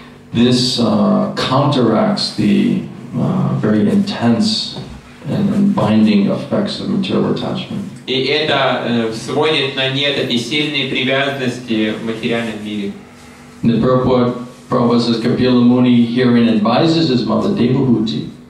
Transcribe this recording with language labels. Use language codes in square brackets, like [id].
[en] This counteracts the very intense and binding effects of material attachment. [ru] И это сводит на нет эти сильные привязанности в материальном мире. [en] The Prabhupada says, Kapila Muni herein advises his mother Devahuti.